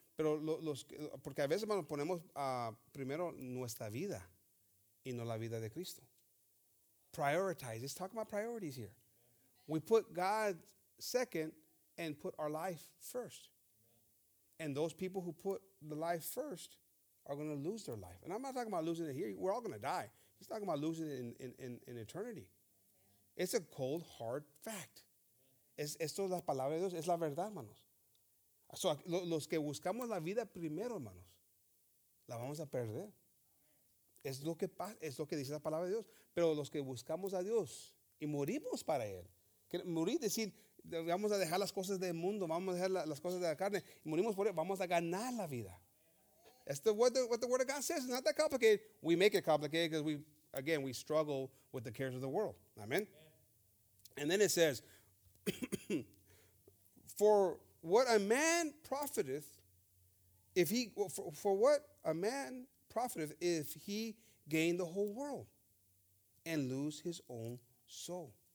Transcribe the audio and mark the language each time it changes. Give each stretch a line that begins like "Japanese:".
Spanish: Pero porque a veces, hermanos, ponemos primero nuestra vida y no la vida de Cristo.
English: Prioritize. Let's talk about priorities here. We put God second and put our life first. And those people who put the life first are going to lose their life. And I'm not talking about losing it here. We're all going to die. He's talking about losing it in eternity. It's a cold, hard fact.
Spanish: Esto es la palabra de Dios. Es la verdad, hermanos. So, los que buscamos la vida primero, hermanos, la vamos a perder. Es lo que dice la palabra de Dios. Pero los que buscamos a Dios y morimos para Él, morir, decir, vamos a dejar las cosas del mundo, vamos a dejar las cosas de la carne, y morimos por Él, vamos a ganar la vida.
English: That's what the Word of God says. It's not that complicated. We make it complicated because we struggle with the cares of the world. Amen? Amen. And then it says, for what a man profiteth, if he gain the whole world and lose his own soul.